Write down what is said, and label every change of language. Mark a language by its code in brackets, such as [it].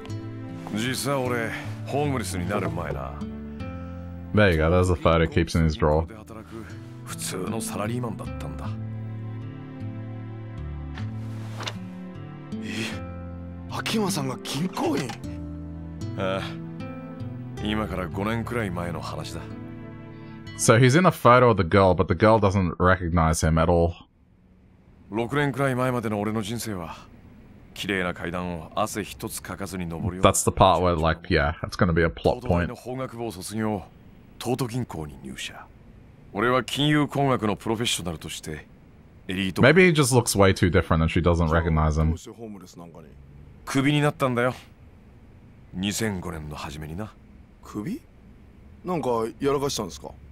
[ja] え、秋山さんが俺が昔ホームレスだったって話は知ってるか?え、まあ噂程度に聞いたくらいですが本当だったんですか?実は俺ホームレスになる前な。 [en] There you go, there's a photo he keeps in his drawer. [ja] 普通のサラリーマンだったんだ。え、秋山さんが銀行員?あ、今から5年くらい前の話だ。 [en] So he's in a photo of the girl, but the girl doesn't recognize him at all. [ja] 6年くらい前までの俺の人生は綺麗な階段を汗一つかかずに登るよ。 [en] That's the part where, like, yeah, that's going to be a plot point. [ja] 東都銀行に入社。俺は金融工学のプロフェッショナルとしてエリート。 [en] Maybe he just looks way too different and she doesn't recognize him. [ja] クビになったんだよ。2005年の初めにな。クビ? なんかやらかしたんですか?